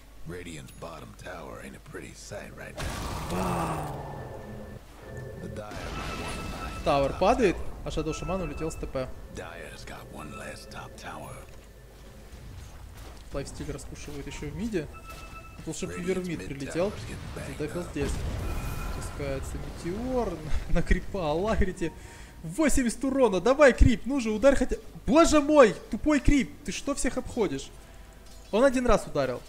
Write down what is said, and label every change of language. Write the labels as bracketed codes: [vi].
[en] Radiant's bottom tower ain't a pretty sight right now. [ru] Тауэр падает, а Shadow Shaman улетел с ТП. [en] Dire's got one last top tower. [ru] Лайфстиль распушивает еще в миде. Тут лучше бы Вермид прилетел. Задефил здесь. Пускается Метеор на крипа Аллахрити. 80 урона, давай, крип, ну же, ударь хотя... Боже мой, тупой крип, ты что всех обходишь? Он один раз ударил.